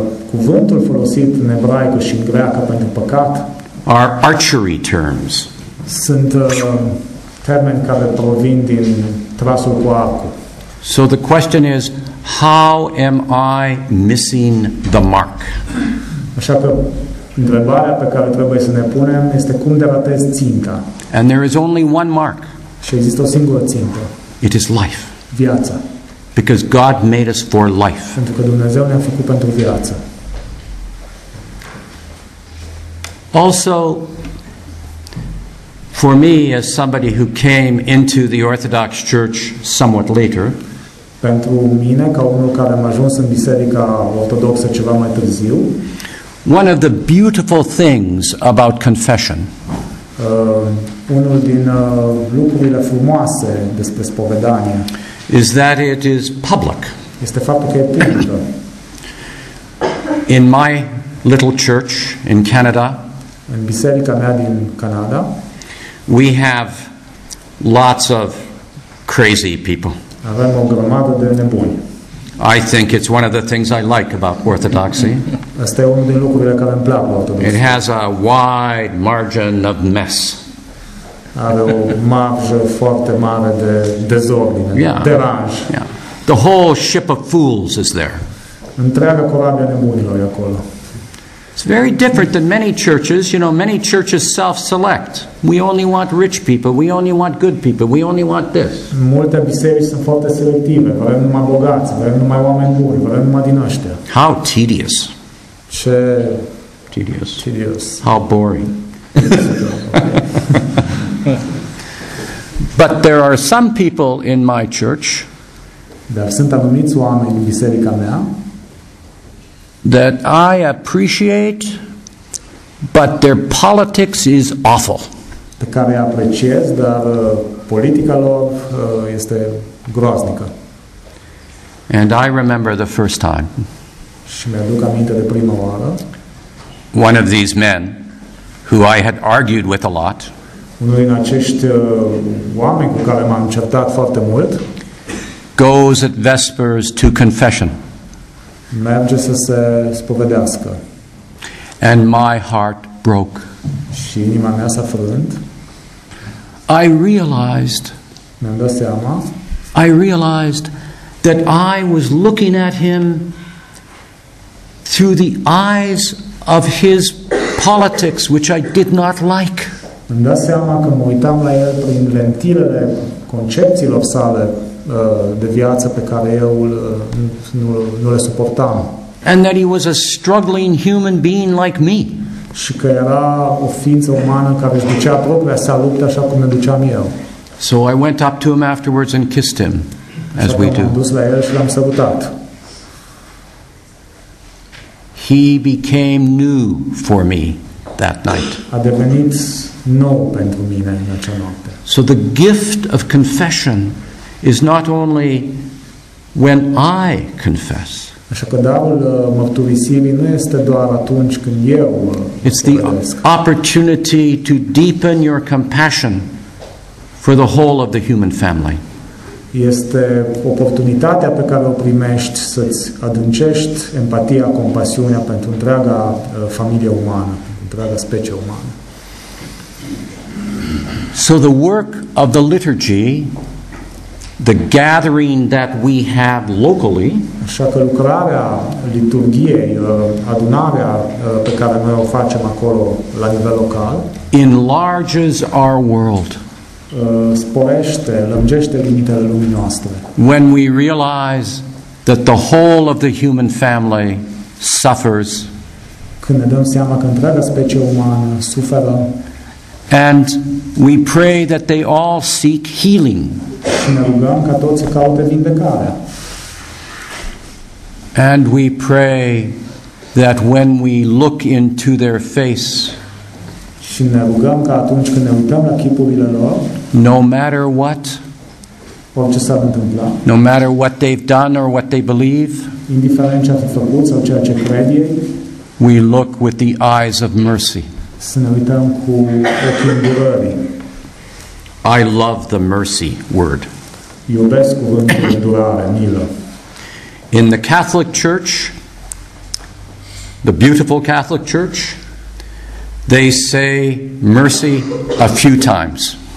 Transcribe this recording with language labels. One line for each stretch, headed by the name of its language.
Romanian: Cuvântul folosit în ebraică și în greacă pentru păcat
English: are archery terms.
Romanian: Sunt termeni care provin din trasul cu arcul.
English: So the question is, how am I missing the mark?
Romanian: Așa că întrebarea pe care trebuie să ne punem este cum deratez ținta.
English: And there is only one mark.
Romanian: Și există o singură țintă.
English: It is life.
Romanian: Viața.
English: Because God made us for life.
Romanian: Pentru că Dumnezeu ne-a făcut pentru viață.
English: Also, for me, as somebody who came into the Orthodox Church somewhat later,
Romanian: pentru mine, ca unul care am ajuns în biserica ortodoxă ceva mai târziu,
English: one of the beautiful things about confession,
Romanian: unul din lucrurile frumoase despre spovedanie,
English: is that it is public.
Romanian: Este faptul că e publică.
English: In my little church in Canada,
Romanian: în biserica mea din Canada,
English: we have lots of crazy people.
Romanian: Avem o grămadă de nebuni.
English: I think it's one of the things I like about Orthodoxy.
Romanian: Asta e unul din lucrurile care îmi plac la Ortodoxie.
English: It has a wide margin of mess.
Romanian: Are o marjă foarte mare de dezordine, de deranj.
English: Yeah. The whole ship of fools is there.
Romanian: Întreaga corabie a nebunilor e acolo.
English: It's very different than many churches. You know, many churches self-select. We only want rich people. We only want good people. We only want this.
Romanian: Multe biserici sunt foarte selective. Vrem numai bogați. Vrem numai oameni buni. Vrem numai din ăștia.
English: How tedious.
Romanian: Ce
English: tedious. Tedious. How boring. But there are some people in my church.
Romanian: Dar sunt anumiți oameni în biserica mea.
English: That I appreciate, but their politics is awful.
Romanian: Pe care apreciez, dar politica lor este groaznică.
English: And I remember the first time.
Romanian: Și mi-aduc aminte de prima oară.
English: One of these men, who I had argued with a lot.
Romanian: Unul din acești oameni cu care m-am certat foarte mult.
English: Goes at vespers to confession.
Romanian: Merge să se spovedească.
English: And my heart broke.
Romanian: Și inima mea s-a frânt.
English: I realized.
Romanian: Mi-am dat seama.
English: I realized that I was looking at him through the eyes of his politics, which I did not like.
Romanian: Mi-am dat seama că mă uitam la el prin lentilele concepțiilor sale de viață pe care eu nu le suportam.
English: And that he was a struggling human being like me.
Romanian: Și că era o ființă umană care își ducea propria sa luptă așa cum ne duceam eu.
English: So I went up to him afterwards and kissed him, as we do.
Romanian: M-am dus la el și l-am salutat.
English: He became new for me that night.
Romanian: A devenit nou pentru mine în acea noapte.
English: So the gift of confession is not only when I confess.
Romanian: Așa că darul mărturisirii nu este doar atunci când eu confesesc.
English: It's the opportunity to deepen your compassion for the whole of the human family.
Romanian: Este oportunitatea pe care o primești să-ți adâncești empatia, compasiunea pentru întreaga familie umană, pentru întreaga specie umană.
English: So the work of the liturgy, the gathering that we have locally,
Romanian: așa că lucrarea liturgiei, adunarea pe care noi o facem acolo la nivel local,
English: enlarges our world.
Romanian: Sporește, lungește limitele lumii noastre.
English: When we realize that the whole of the human family suffers,
Romanian: când ne dăm seama că întreaga specie umană suferă,
English: and we pray that they all seek healing.
Romanian: Și ne rugăm ca toți să caute vindecarea.
English: And we pray that when we look into their face,
Romanian: și ne rugăm ca atunci când ne uităm la chipurile lor,
English: no matter what,
Romanian: orice s-ar întâmpla,
English: no matter what they've done or what they believe,
Romanian: indiferent ce a fi făcut sau ceea ce cred ei,
English: we look with the eyes of mercy.
Romanian: Să ne uităm cu ochii îndurării.
English: I love the mercy word.
Romanian: Iubesc cuvântul îndurare, milă.
English: In the Catholic Church, the beautiful Catholic Church, they say mercy a few times.